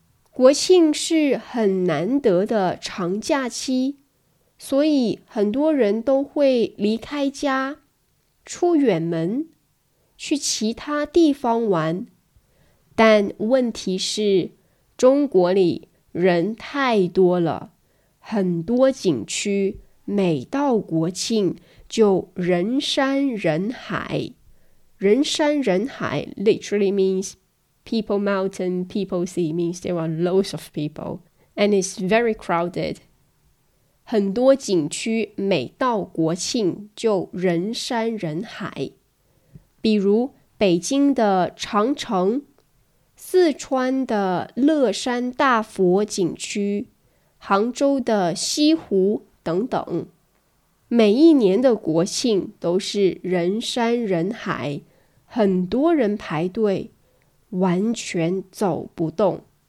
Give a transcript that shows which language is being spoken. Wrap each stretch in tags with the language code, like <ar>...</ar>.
<zh>国庆是很难得的长假期，所以很多人都会离开家，出远门，去其他地方玩。但问题是，中国里人太多了，很多景区每到国庆就人山人海。</zh> <en>人山人海 literally means people mountain, people sea, means there are loads of people, and it's very crowded.</en> <zh>很多景区每到国庆就人山人海，比如北京的长城、四川的乐山大佛景区、杭州的西湖等等，每一年的国庆都是人山人海，很多人排队，完全走不动。</zh>